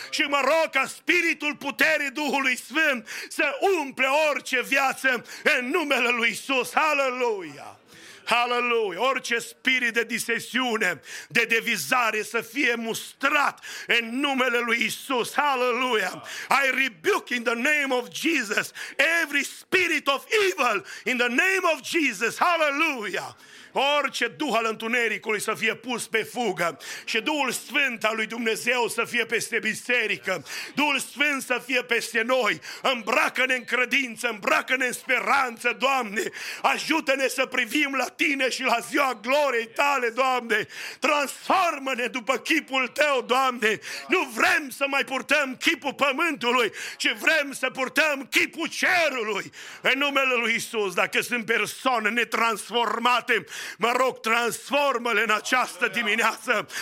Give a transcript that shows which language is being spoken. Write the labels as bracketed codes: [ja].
[ro] Și mă rog ca spiritul puterii Duhului Sfânt să umple orice viață în numele lui Iisus. Aleluia! Hallelujah! Orice spirit de disesiune, de devizare să fie mustrat în numele lui Iisus. [en] Hallelujah! I rebuke in the name of Jesus every spirit of evil in the name of Jesus. Hallelujah! [ro] Orice duh al întunericului să fie pus pe fugă și Duhul Sfânt al lui Dumnezeu să fie peste biserică, Duhul Sfânt să fie peste noi, îmbracă-ne în credință, îmbracă-ne în speranță, Doamne, ajută-ne să privim la Tine și la ziua gloriei Tale, Doamne, transformă-ne după chipul Tău, Doamne, nu vrem să mai purtăm chipul pământului, ci vrem să purtăm chipul cerului, în numele lui Iisus, dacă sunt persoane netransformate, mă rog, transformă-le în această dimineață.